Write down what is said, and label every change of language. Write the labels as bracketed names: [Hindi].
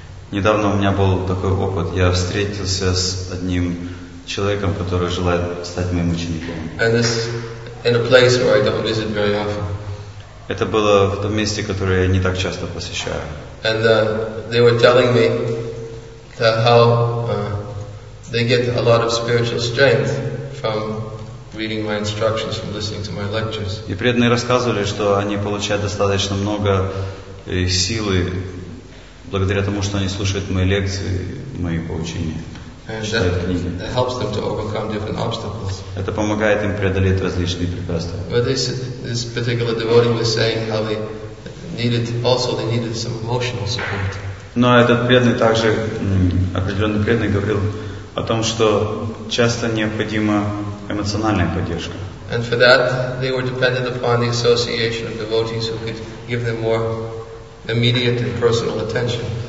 [Russian] Недавно у меня был такой опыт. Я встретился с одним человеком, который желает стать моим учеником. [English] And this in a place where I don't visit very often. [Russian] Это было в том месте, которое я не так часто посещаю. [English] And they were telling me that how they get a lot of spiritual strength from reading my instructions, from listening to my lectures. [Russian] И преданные рассказывали, что они получают достаточно много силы благодаря тому, что они слушают мои лекции, мои поучения, читают книги. [English] Helps them to overcome different obstacles. [Russian] Это помогает им преодолеть различные препятствия. [English] But this particular devotee was saying how they needed, also they needed some emotional support. [Russian] Но этот преданный также, определенный преданный говорил о том, что часто необходима эмоциональная поддержка. [English] And for that, they were dependent upon the association of devotees who could give them more immediate and personal attention.